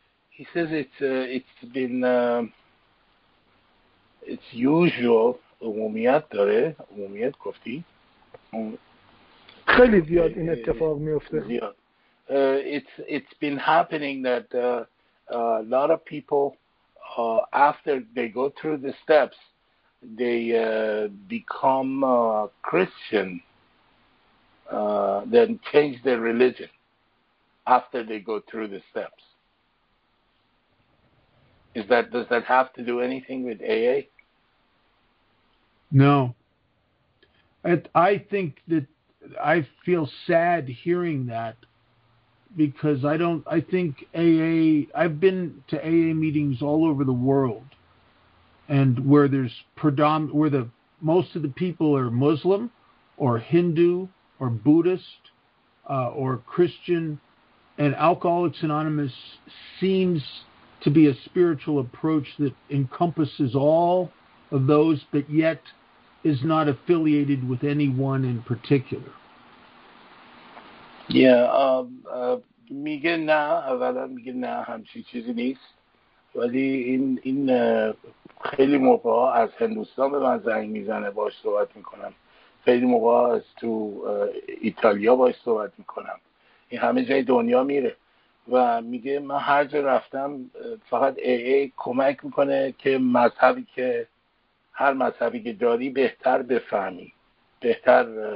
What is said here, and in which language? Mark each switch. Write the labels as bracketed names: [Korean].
[English] He says it's usual. [Persian] عمومیت داره، عمومیت گفتی؟ خیلی زیاد این اتفاق میفته. زیاد. [English] It's been happening that a lot of people, after they go through the steps, they become Christian, then change their religion after they go through the steps. Does that have to do anything with AA? No. I feel sad hearing that. Because I think AA, I've been to AA meetings all over the world, and where there's where the most of the people are Muslim or Hindu or Buddhist or Christian, and Alcoholics Anonymous seems to be a spiritual approach that encompasses all of those, but yet is not affiliated with anyone in particular. [Persian] Yeah, میگه نه، اولا میگه نه همچین چیزی نیست، ولی این خیلی موقع از هندوستان به من زنگ میزنه باش صحبت میکنم، خیلی موقع از تو ایتالیا باش صحبت میکنم، این همه جای دنیا میره و میگه من هر جا رفتم فقط AA کمک میکنه که مذهبی که هر مذهبی که داری بهتر بفهمی، بهتر